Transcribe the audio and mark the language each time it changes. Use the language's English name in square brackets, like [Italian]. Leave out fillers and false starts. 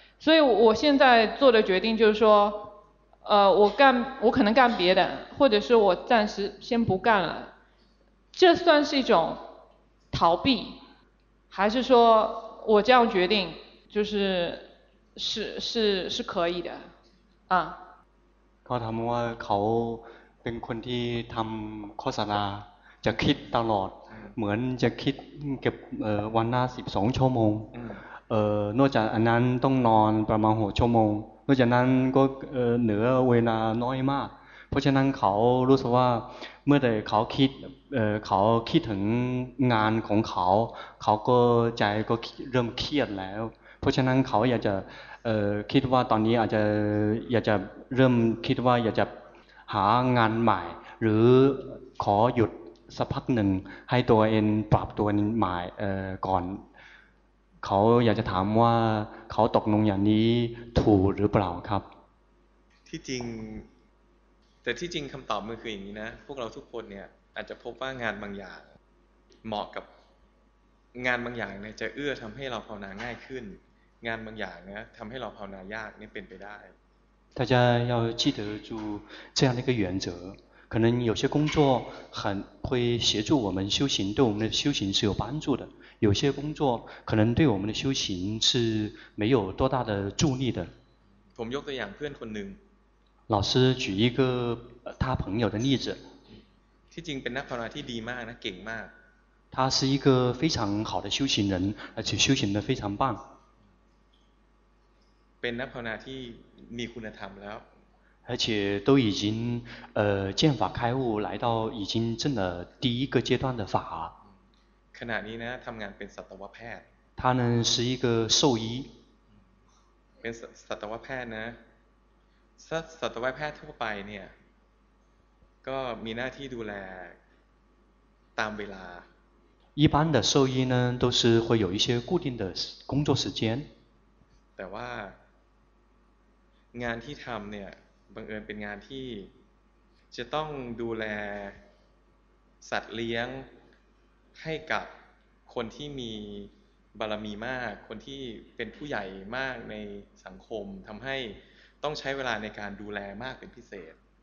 [Chinese] 所以我现在做的决定就是说我可能干别的，或者是我暂时先不干了。这算是一种逃避，还是说我这样决定就是是可以的啊？ [Thai] เขาถามว่าเขาเป็นคนที่ทำโฆษณาจะคิดตลอดเหมือนจะคิดเก็บวันหน้า12 ชั่วโมงนอกจากอันนั้นต้องนอนประมาณ6 ชั่วโมงนอกจากนั้นก็เหนือเวลาน้อยมากเพราะฉะนั้นเขารู้สึกว่าเมื่อใดเขาคิดเขาคิดถึงงานของเขาเขาก็ใจก็เริ่มเครียดแล้วเพราะฉะนั้นเขาอยากจะ คิดว่าตอนนี้อาจจะอยากจะเริ่มคิดว่าอยากจะหางานใหม่หรือขอหยุดสักพักหนึ่งให้ตัวเองปรับตัวใหม่ก่อนเขาอยากจะถามว่าเขาตกลงอย่างนี้ถูกหรือเปล่าครับ ที่จริงแต่ที่จริงคำตอบมันคืออย่างนี้นะพวกเราทุกคนเนี่ยอาจจะพบว่างานบางอย่างเหมาะกับงานบางอย่างเนี่ยจะเอื้อทำให้เราภาวนาง่ายขึ้นงานบางอย่างนะทำให้เราภาวนายากนี่เป็นไปได้ [Chinese] 大家要记得住这样的一个原则，可能有些工作很会协助我们修行，对我们的修行是有帮助的，有些工作可能对我们的修行是没有多大的助力的。 [Thai] ผมยกตัวอย่างเพื่อนคนหนึ่ง [Chinese] 老师举一个他朋友的例子 [Thai] ที่จริงเป็นนักภาวนาที่ดีมากนะเก่งมาก [Chinese] 他是一个非常好的修行人，而且修行得非常棒 [Thai] เป็นนักภาวนาที่มีคุณธรรมแล้ว [Chinese] 而且都已经见法开悟来到已经证了第一个阶段的法 [Thai] ขณะนี้นะทำงานเป็นสัตวแพทย์ [Chinese] 他呢是一个兽医 [Thai] เป็นสัตวแพทย์นะสัตวแพทย์ทั่วไปเนี่ยก็มีหน้าที่ดูแลตามเวลา [Chinese] 一般的兽医呢都是会有一些固定的工作时间 [Thai] แต่ว่างานที่ทำเนี่ยบังเอิญเป็นงานที่จะต้องดูแลสัตว์เลี้ยงให้กับคนที่มีบารมีมากคนที่เป็นผู้ใหญ่มากในสังคมทำให้ต้องใช้เวลาในการดูแลมากเป็นพิเศษ